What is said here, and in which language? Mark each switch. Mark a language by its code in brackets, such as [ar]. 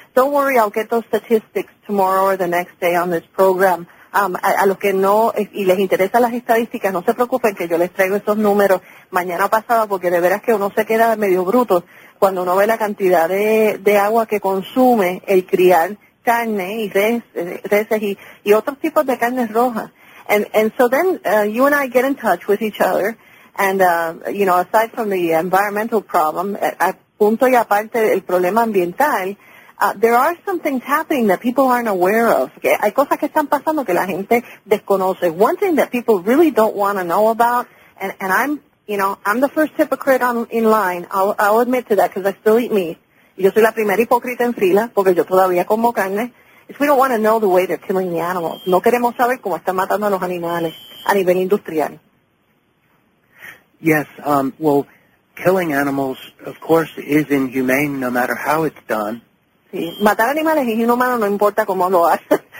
[en] Don't worry, I'll get those statistics tomorrow or the next day on this program. [es] A los que no y les interesan las estadísticas, no se preocupen que yo les traigo esos números mañana pasado, porque de veras que uno se queda medio bruto cuando uno ve la cantidad de agua que consume el criar carne y reses y otros tipos de carnes rojas. [en] And so then you and I get in touch with each other, and you know, aside from the environmental problem, [es] a punto y aparte el problema ambiental, [en] there are some things happening that people aren't aware of. Okay? [es] Hay cosas que están pasando que la gente desconoce. [en] One thing that people really don't want to know about, and I'm, you know, I'm the first hypocrite in line. I'll admit to that, because I still eat meat. [es] Yo soy la primera hipócrita en fila porque yo todavía como carne. [en] We don't want to know the way they're killing the animals. [es] No queremos saber cómo están matando a los animales a nivel industrial. [en] Yes, well, killing animals, of course, is inhumane no matter how it's done. [es] Sí, matar animales es inhumano no importa cómo lo hagan.